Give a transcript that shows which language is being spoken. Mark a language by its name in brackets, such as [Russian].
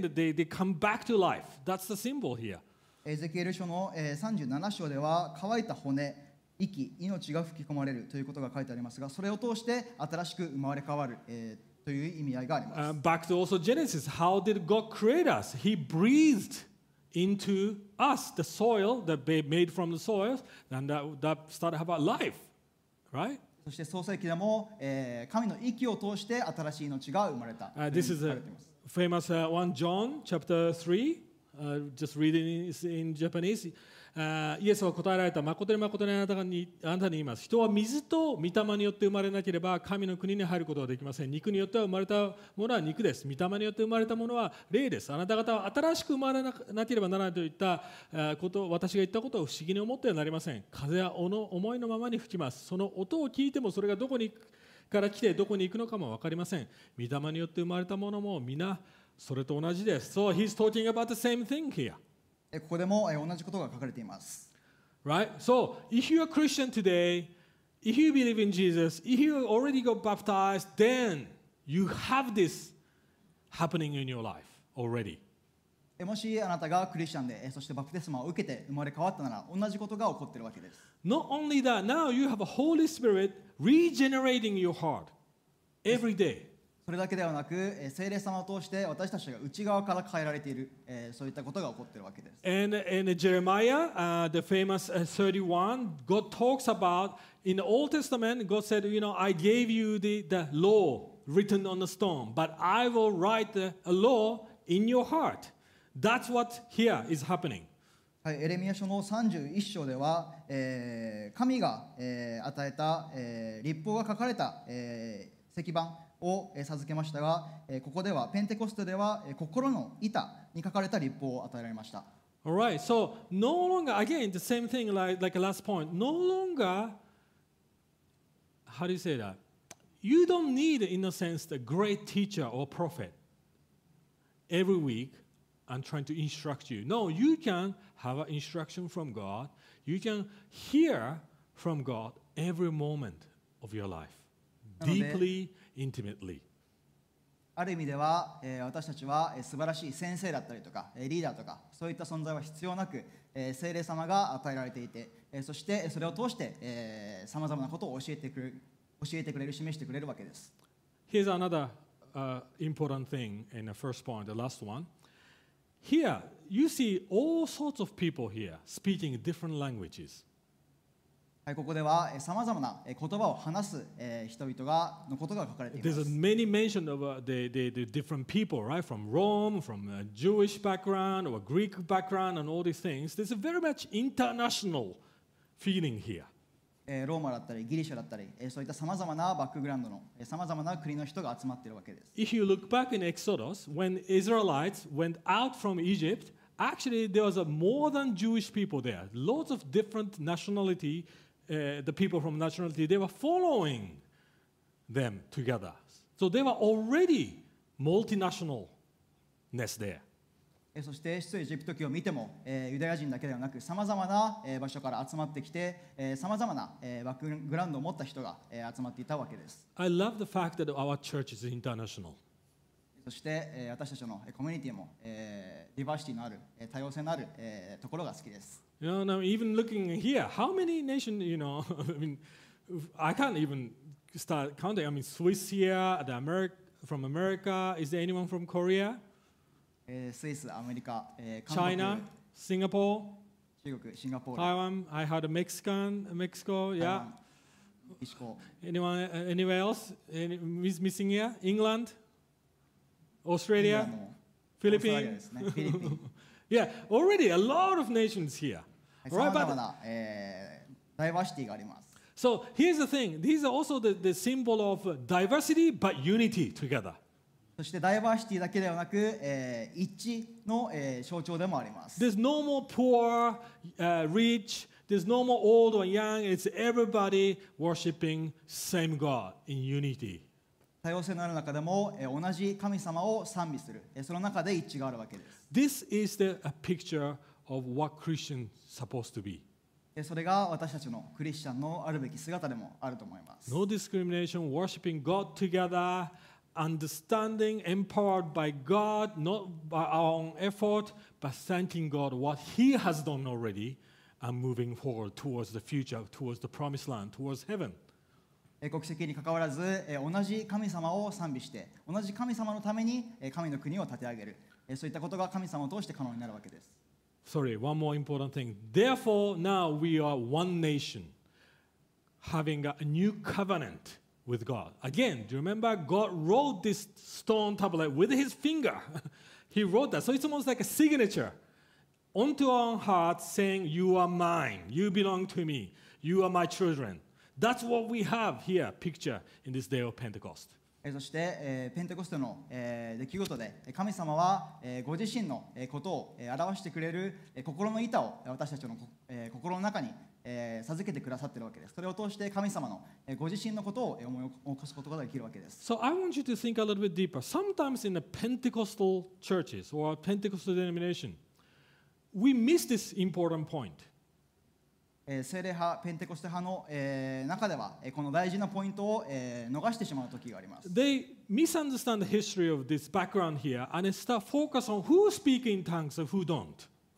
[English] They come back to life. That's the symbol here. [Japanese] Ezekiel 書の37章では乾いた骨、息、命が吹き込まれるということが書いてありますが、それを通して新しく生まれ変わる。という意味合いがあります。 [English] Back to also Genesis. How did God create us? He breathed into us the soil that made from the soil, and that started to have a life, right? [Japanese] そして創世記でも、神の息を通して新しい命が生まれた。 [English] This is a famous one, John chapter 3. Just reading it in Japanese. [Japanese] イエスは答えられた。誠に誠にあなたに言います。人は水と御霊によって生まれなければ神の国に入ることはできません。肉によっては生まれたものは肉です。御霊によって生まれたものは霊です。あなた方は新しく生まれなければならないといったこと、私が言ったことを不思議に思ってはなりません。風は思いのままに吹きます。その音を聞いてもそれがどこにから来てどこに行くのかも分かりません。御霊によって生まれたものも皆それと同じです。 [English] So he's talking about the same thing here. [Japanese] ここでも同じことが書かれています。 [English] Right? So, if you're a Christian today, if you believe in Jesus, if you already got baptized, then you have this happening in your life already. [Japanese] もしあなたがクリスチャンで、そしてバプテスマを受けて生まれ変わったなら、同じことが起こっているわけです。 [English] Not only that, now you have a Holy Spirit regenerating your heart every day. [Japanese] それだけではなく、聖霊様を通して私たちが内側から変えられている、そういったことが起こっているわけです。 [English] And Jeremiah, the famous 31, God talks about, in the Old Testament, God said, you know, I gave you the law written on the stone, but I will write a law in your heart. That's what here is happening. [Japanese] はい、エレミヤ書の31章では、神が、与えた、律法が書かれた、石板、を授けましたが、ここではペンテコステでは心の板に書かれた律法を与えられました。 [English] All right, so no longer again the same thing like a last point. No longer, how do you say that? You don't need in a sense the great teacher or prophet every week and trying to instruct you. No, you can have an instruction from God. You can hear from God every moment of your life deeply. Intimately. [Japanese] ある意味では、私たちは、素晴らしい先生だったりとか、リーダーとか、そういった存在は必要なく、聖霊様が与えられていて、そしてそれを通して、さまざまなことを教えてくれる、示してくれるわけです。 [English] Here's another, important thing in the first point, the last one. Here, you see all sorts of people here speaking different languages. ここではさまざまな言葉を話す人々がのことが書かれています。 There's many mention of the different people, right? From Rome, from a Jewish background or a Greek background, and all these things. There's a very much international feeling here. [Japanese] ローマだったりギリシャだったり、そういったさまざまなバックグラウンドのさまざまな国の人が集まっているわけです。 [English] If you look back in Exodus, when Israelites went out from Egypt. Actually, there was more than Jewish people there. Lots of different nationality, the people from nationality, they were following them together. So they were already multinationalness there. [Japanese] そして出エジプト記を見ても、ユダヤ人だけではなく、さまざまな場所から集まってきて、さまざまなバックグラウンドを持った人が集まっていたわけです。 [English] I love the fact that our church is international. [Japanese] そして私たちのコミュニティもディバーシティのある多様性のあるところが好きです。 [English] You know, now even looking here, how many nations, you know, I mean, I can't even start counting. I mean, Swiss here, the America, from America, is there anyone from Korea? [Japanese] スイス、アメリカ、 [English] China, Singapore, [Japanese] 中国、シンガポール、 [English] Taiwan, I heard a Mexican, Mexico, yeah. Anyone, anywhere else? Any missing here? England? Australia, Philippines. Yeah, already a lot of nations here. Right, but diversity. So here's the thing. These are also the symbol of diversity, but unity together. [Japanese] そしてダイバーシティだけではなく、一致の、象徴でもあります。 [English] There's no more poor, rich. There's no more old or young. It's everybody worshiping same God in unity. [Japanese] 多様性のある中でも同じ神様を賛美する。その中で一致があるわけです。 [English] This is the picture of what Christian supposed to be. [Japanese] それが私たちのクリスチャンのあるべき姿でもあると思います。 [English] No discrimination, worshiping God together, understanding, empowered by God, not by our own effort, but thanking God what He has done already and moving forward towards the future, towards the promised land, towards heaven. [Japanese] 国籍に関わらず同じ神様を賛美して同じ神様のために神の国を立て上げる、そういったことが神様を通して可能になるわけです。 [English] Sorry, one more important thing. Therefore, now we are one nation having a new covenant with God. Again, do you remember God wrote this stone tablet with his finger? He wrote that. So it's almost like a signature onto our own hearts saying, you are mine, you belong to me, you are my children. That's what we have here, picture in this day of Pentecost. [Japanese] そして、ペンテコステの、出来事で、神様は、ご自身の、ことを、表してくれる、心の板を私たちの、心の中に、授けてくださっているわけです。それを通して神様の、ご自身のことを、思い起こすことができるわけです。 [English] So I want you to think a little bit deeper. Sometimes in the Pentecostal churches or Pentecostal denomination, we miss this important point. [Japanese] 聖霊派、ペンテコステ派の、中では、この大事なポイントを、逃してしまう時があります。 [English] They misunderstand the history of this background here and start focus on who speak in tongues and who don't.